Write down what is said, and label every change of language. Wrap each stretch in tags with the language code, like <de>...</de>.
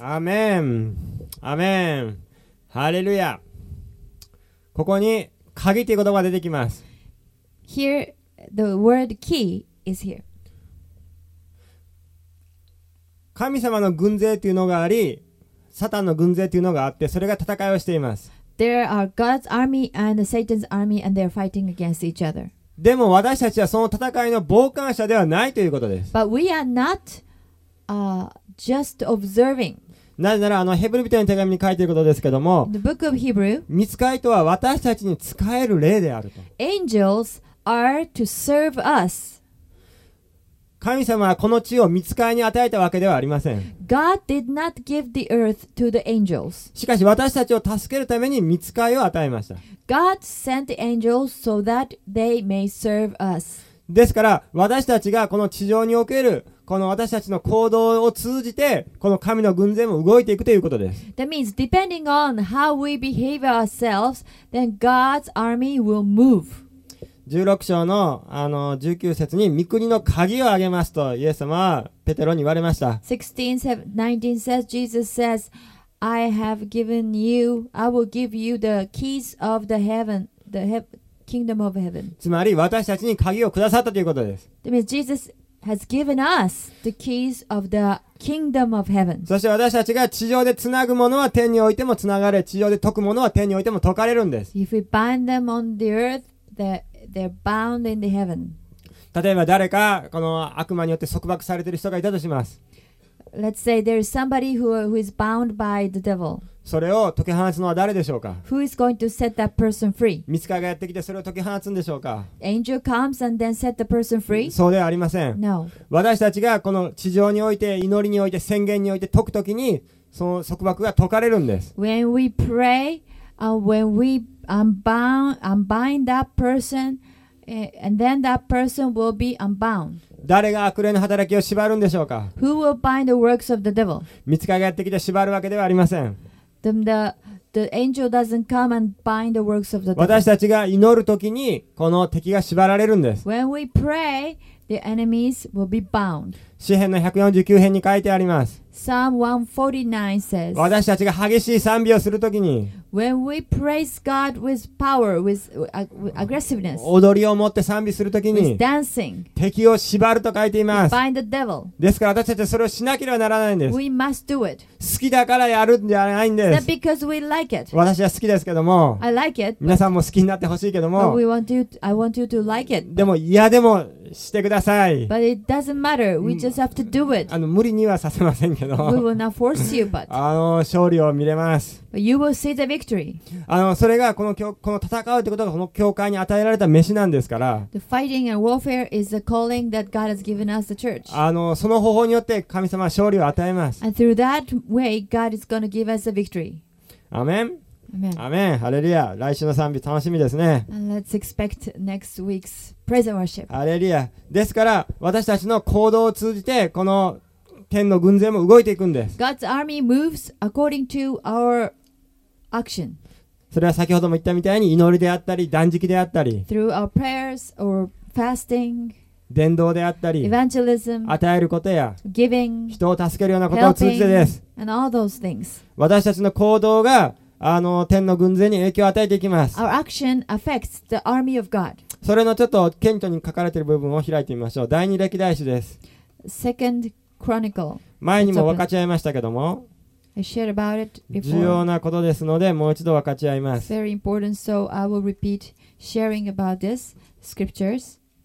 <ja>アーメン。アーメン。ハレルヤ。ここに鍵という言葉が出てきます。</ja> <en>Here, the word key is here.</en> <ja>神様の軍勢というのがあり、サタンの軍勢というのがあって、それが戦いをしています。</ja> <en>There are God's army and Satan's army, and they're fighting against each other.</en> <ja>でも私たちはその戦いの傍観者ではないということです。</ja> <en>But we are not, just observing.</en> <ja>なぜならあのヘブル人の手紙に書いていることですけども、</ja> <en>The book of Hebrew.</en> <ja>御使いとは私たちに使える霊であると。</ja> <en>Angels are to serve us.</en> <ja>神様はこの地を御使いに与えたわけではありません。</ja> <en>God did not give the earth to the angels.</en> <ja>しかし私たちを助けるために御使いを与えました。</ja> <en>God sent the angels so that they may serve us.</en> <ja>ですから私たちがこの地上におけるこの私たちの行動を通じてこの神の軍勢も動いていくということです。</ja> <en>That means depending on how we behave ourselves, then God's army will move.</en> <ja>16章 の, 19節に御国の鍵をあげますとイエス様はペテロに言われました。</ja> <en>16:19 says, Jesus says, I have given you, I will give you the keys of the heaven, the kingdom of heaven.</en> <ja>つまり私たちに鍵をくださったということです。</ja> <en>That means Jesus has given us the keys of the kingdom of heaven.</en> <ja>そして私たちが地上でつなぐものは天においてもつながれ、地上で解くものは天においても解かれるんです。</ja> <en>If we bind them on the earth, They're bound in the heaven.</en> <ja>例えば誰かこの悪魔によって束縛されている人がいたとします。</ja> <en>Let's say there is somebody who is bound by the devil.</en> <ja>それを解き放つのは誰でしょうか。</ja> <en>Who is going to set that person free?</en> <ja>御使いがやってきてそれを解き放つんでしょうか。</ja> <en>Angel comes and then set the person free?</en> <ja>そうではありません。</ja> <en>No.</en> <ja>私たちがこの地上において祈りにおいて宣言において解くときにその束縛が解かれるんです。</ja> <en>When we pray and when weUnbind that person, and then that person will be unbound.</en> <ja>誰が悪霊の働きを縛るんでしょうか。</ja> <en>Who will bind the works of the devil?</en> <ja>御使いがやってきて縛るわけではありません。</ja> <en>The angel doesn't come and bind the works of the devil.</en> <ja>私たちが祈るときにこの敵が縛られるんです。</ja> <en>When we pray, the enemies will be bound.</en> <ja>詩編の149編に書いてあります。</ja> <en>Psalm 149 says,</en> <ja>私たちが激しい賛美をするときに</ja> <en>When we praise God with power, with aggressiveness,</en> <ja>踊りを持って賛美するときに</ja> <en>with dancing,</en> <ja>敵を縛ると書いています。</ja> <en>bind the devil.</en> <ja>ですから私たちはそれをしなければならないんです。</ja> <en>we must do it.</en> <ja>好きだからやるんじゃないんです。</ja> <en>Not because we like it.</en> <ja>私は好きですけども</ja> <en>I like it,</en> <ja>皆さんも好きになってほしいけども</ja> <en>I want you to like it.</en> <ja>でも嫌でもしてください。</ja> <en>But it doesn't matter. We just have to do it.</en> <ja>無理にはさせませんけど。</ja> <en>We will not force you, but</en> <ja>勝利を見れます。</ja> <en>But you will see the victory.</en> <ja>それがこの戦うってことがこの教会に与えられた召しなんですから。</ja> <en>The fighting and warfare is the calling that God has given us, the church.</en> <ja>その方法によって神様は勝利を与えます。</ja> <en>And through that way, God is going to give us the victory.</en> <ja>アメン。アメン、ハレルヤ。来週の賛美楽しみですね。</ja> <en>Let's expect next week's praise and worship.</en> <ja>ハレルヤ。ですから私たちの行動を通じてこの天の軍勢も動いていくんです。</ja> <en>God's army moves according to our action.</en> <ja>それは先ほども言ったみたいに祈りであったり断食であったり、</ja> <en>through our prayers or fasting,</en> <ja>伝道であったり、</ja> <en>evangelism,</en> <ja>与えることや、</ja> <en>giving,</en> <ja>人を助けるようなことを通じてです。</ja> <en>helping, and all those things.</en> <ja>私たちの行動が天の軍勢に影響を与えていきます。</ja> <en>Our action affects the army of God.</en> <ja>それのちょっと顕著に書かれている部分を開いてみましょう。第二歴代史です。</ja> <en>Second Chronicle.</en> <ja>前にも分かち合いましたけども、</ja> <en>I shared about it before.</en> <ja>重要なことですのでもう一度分かち合います。</ja> <en>It's very important, so I will repeat sharing about this scriptures.</en>